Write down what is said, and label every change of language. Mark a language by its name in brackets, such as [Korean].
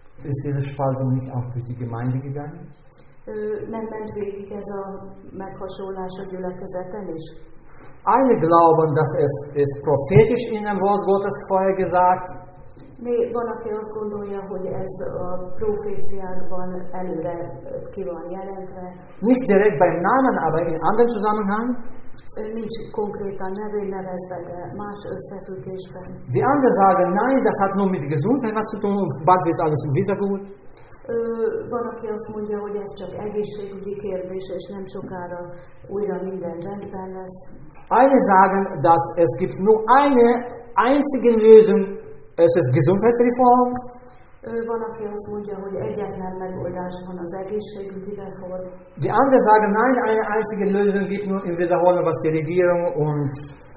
[German] Ist diese Spaltung nicht auch durch die Gemeinde gegangen? [Hungarian] Nem ment végig ez a meghasonlás a gyülekezeten is. [German] Alle glauben, dass es prophetisch in dem Wort Gottes vorher gesagt. [Hungarian] Van, aki azt gondolja, hogy ez a proféciákban előre ki van jelentve. [German] Nicht direkt beim Namen, aber in anderen Zusammenhang. [Hungarian] Nincs konkrétan nevén nevezve, de más összefüggésben. [German] Die anderen sagen, nein, das hat nur mit Gesundheit was zu tun, bald wird alles wieder gut. [Hungarian] Van, aki azt mondja, hogy ez csak egészségügyi kérdés, és nem sokára újra minden rendben lesz. [German] Einige sagen, dass es gibt nur eine einzige Lösung, es ist Gesundheitsreform. [Hungarian] Van, aki azt mondja, hogy egyetlen megoldás van az egészségügyi reform. [German] Die anderen sagen, nein, eine einzige Lösung gibt nur im Wiederholen, was die Regierung und